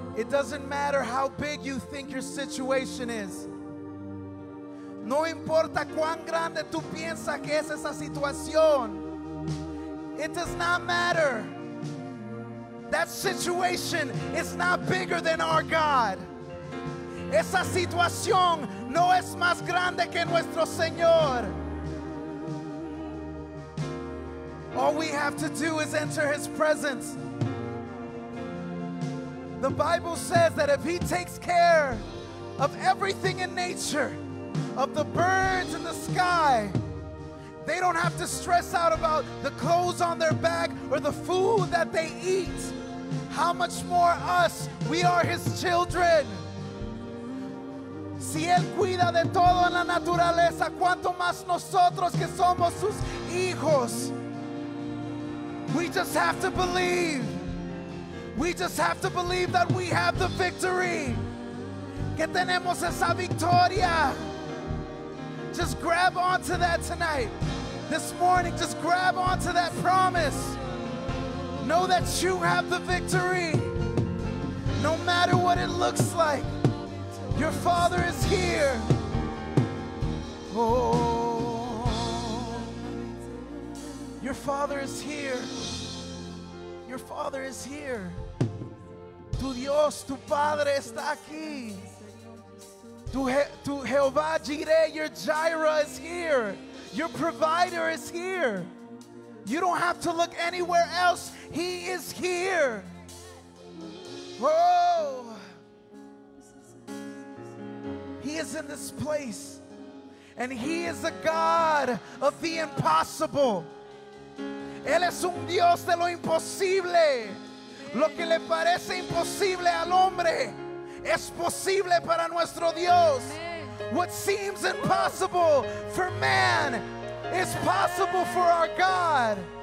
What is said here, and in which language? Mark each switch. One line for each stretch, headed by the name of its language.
English: Doesn't matter how big you think your situation is.
Spanish: No importa cuán grande tú piensas que es esa situación.
English: It does not matter. That situation is not bigger than our God.
Spanish: Esa situación no es más grande que nuestro Señor.
English: All we have to do is enter His presence. The Bible says that if He takes care of everything in nature, of the birds in the sky, they don't have to stress out about the clothes on their back or the food that they eat. How much more us? We are His children.
Spanish: Si Él cuida de todo en la naturaleza, ¿cuánto más nosotros que somos sus hijos?
English: We just have to believe. We just have to believe that we have the victory.
Spanish: Que tenemos esa victoria.
English: Just grab onto that tonight. This morning, just grab onto that promise. Know that you have the victory. No matter what it looks like, your Father is here. Oh, your Father is here. Your Father is here.
Spanish: Tu Dios, tu Padre está aquí.
English: Tu Jehová Jireh, your Jireh is here. Your provider is here. You don't have to look anywhere else. He is here. Oh. He is in this place. And He is the God of the impossible.
Spanish: Él es un Dios de lo imposible. Lo que le parece imposible al hombre es posible para nuestro Dios.
English: What seems impossible for man is possible for our God.